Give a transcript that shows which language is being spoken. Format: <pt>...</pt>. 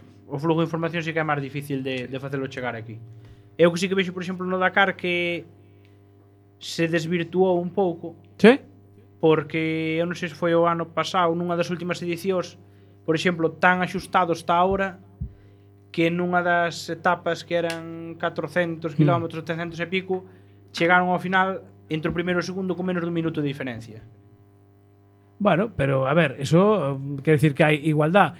<es>O flujo de información sí que es más difícil de hacerlo llegar aquí. Yo que sí que veo, por ejemplo, no Dakar, que se desvirtuó un poco. ¿Sí? Porque, yo no sé si fue el año pasado, en una de las últimas ediciones, por ejemplo, tan ajustado está ahora, que en una de las etapas que eran 400 kilómetros, 300 y pico, llegaron al final...</es> <gl>entre o primeiro e o segundo con menos dun minuto de diferencia. Bueno, pero a ver, eso quer dicir que hai igualdad.</gl>